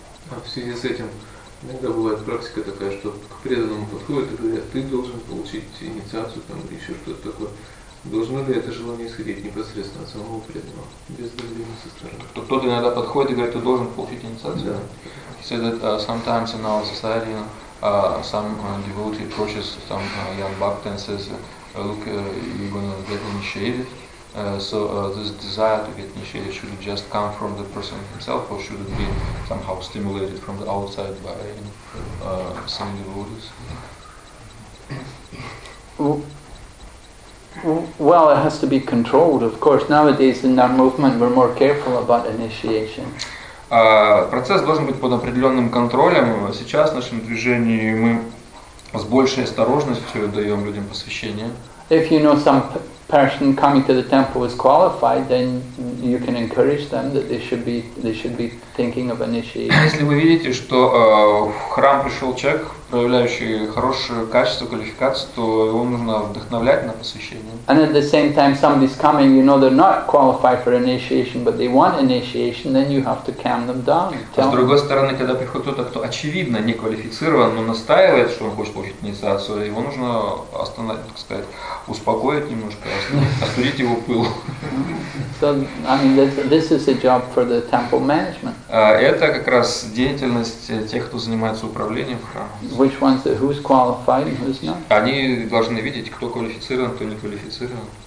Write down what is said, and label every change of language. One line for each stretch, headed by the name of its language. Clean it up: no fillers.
Russian: А в связи с этим иногда бывает практика такая, что к преданному подходят и говорят, ты должен получить инициацию там или еще что-то такое. Должно ли это желание исходить непосредственно от самого преданного, без давления со стороны? Кто-то иногда подходит и говорит, ты должен получить инициацию. Да.
English: He said that sometimes in our society some devotee approaches some young bhakti and says, look, you're gonna get initiated. This desire to get initiated, should it just come from the person himself, or should it be somehow stimulated from the outside by some devotees? Well, it has to be controlled, of course. Nowadays in our movement we're more careful about initiation.
Russian: Процесс должен быть под определенным контролем. Сейчас в нашем движении мы с большей осторожностью даем людям посвящение.
English: If you know some person coming to the temple is qualified, then you can encourage them that they should be thinking of initiation.
Russian: Если вы видите, что в храм пришел человек, проявляющий хорошее качество, квалификацию, то его нужно вдохновлять на посвящение.
English: And at the same time, somebody's coming, you know they're not qualified for initiation, but they want initiation, then you have to calm them down.
Russian: А с другой стороны, когда приходит кто-то, кто очевидно не квалифицирован, но настаивает, что он хочет получить инициацию, его нужно остановить, так сказать, успокоить немножко, остудить его пыл.
English: So, I mean, this is a job for the temple management.
Russian: Это как раз деятельность тех, кто занимается управлением храмом.
English: Which ones are, who's qualified, who's not?
Russian: Они должны видеть, кто квалифицирован, кто не квалифицирован.